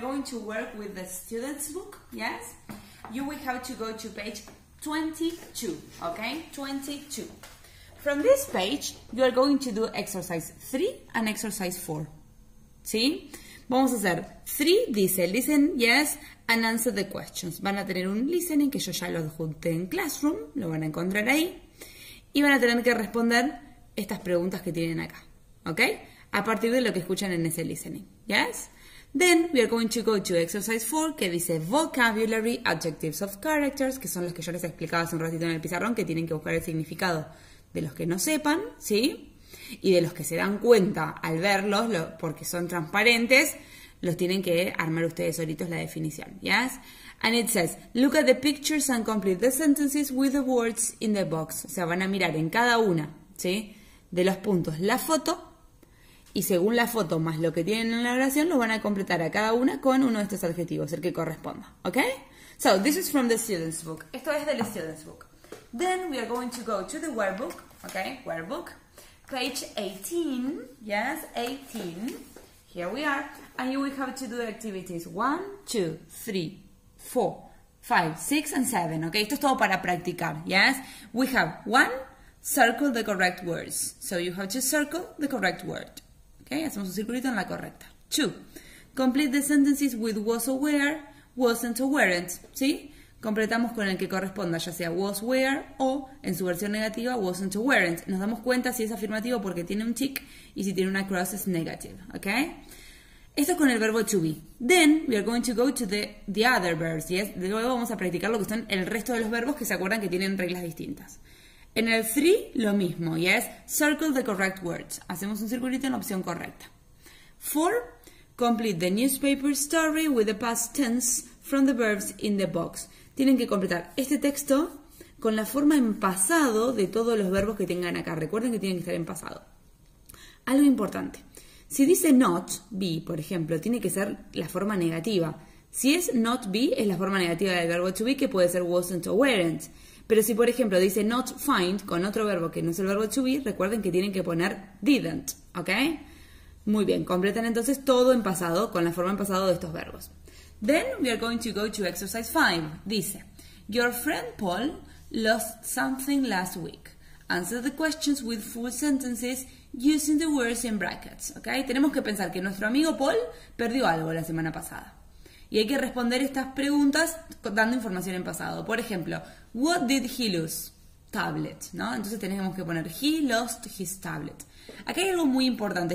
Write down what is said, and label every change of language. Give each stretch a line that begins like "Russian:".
English: To work with the student's book, yes, you will have to go to page 22, okay, 22. From this page, you are going to do exercise 3 and exercise 4, ¿sí?
Spanish: Vamos a hacer 3, dice,
English: listen, yes, and answer the questions.
Spanish: Van a tener un listening que yo ya lo junté en Classroom, lo van a encontrar ahí, y van a tener que responder estas preguntas que tienen acá, okay, a partir de lo que escuchan en ese listening, yes.
English: Then we are going to go to exercise 4,
Spanish: que dice vocabulary, adjectives of characters, que son los que yo les explicaba hace un ratito en el pizarrón, que tienen que buscar el significado de los que no sepan, ¿sí? Y de los que se dan cuenta al verlos, porque son transparentes, los tienen que armar ustedes solitos la definición, ¿yes?
English: And it says, look at the pictures and complete the sentences with the words in the box.
Spanish: O sea, van a mirar en cada una, ¿sí? De los puntos la foto. Y según la foto más lo que tienen en la oración, lo van a completar a cada una con uno de estos adjetivos, el que corresponda.
English: ¿Ok? So, this is from the student's book.
Spanish: Esto es del
English: student's book. Then we are going to go to the workbook. ¿Ok? Workbook. Page 18. Yes, 18. Here we are. And you will have to do activities 1, 2, 3, 4, 5, 6, and 7. ¿Ok?
Spanish: Esto es todo para practicar.
English: ¿Yes? We have 1, circle the correct words. So, you have to circle the correct word. Okay,
Spanish: hacemos un circulito en la correcta.
English: 2. Complete the sentences with was or were, wasn't or weren't.
Spanish: ¿Sí? Completamos con el que corresponda, ya sea was, were, o en su versión negativa, wasn't or weren't. Nos damos cuenta si es afirmativo porque tiene un tick y si tiene una cross es negative. Okay? Esto es con el verbo to be.
English: Then, we are going to go to the other verbs.
Spanish: ¿Sí? Luego vamos a practicar lo que son el resto de los verbos que se acuerdan que tienen reglas distintas. En el 3, lo mismo,
English: yes, circle the correct words.
Spanish: Hacemos un circulito en la opción correcta.
English: 4, complete the newspaper story with the past tense from the verbs in the box.
Spanish: Tienen que completar este texto con la forma en pasado de todos los verbos que tengan acá. Recuerden que tienen que estar en pasado. Algo importante, si dice not be, por ejemplo, tiene que ser la forma negativa. Si es not be, es la forma negativa del verbo to be, que puede ser wasn't or weren't. Pero si, por ejemplo, dice not find con otro verbo que no es el verbo to be, recuerden que tienen que poner didn't, ¿ok? Muy bien, completan entonces todo en pasado con la forma en pasado de estos verbos.
English: Then we are going to go to exercise 5. Dice, your friend Paul lost something last week. Answer the questions with full sentences using the words in brackets, ¿ok?
Spanish: Tenemos que pensar que nuestro amigo Paul perdió algo la semana pasada. Y hay que responder estas preguntas dando información en pasado. Por ejemplo,
English: what did he lose? Tablet, ¿no?
Spanish: Entonces tenemos que poner,
English: he lost his tablet.
Spanish: Acá hay algo muy importante.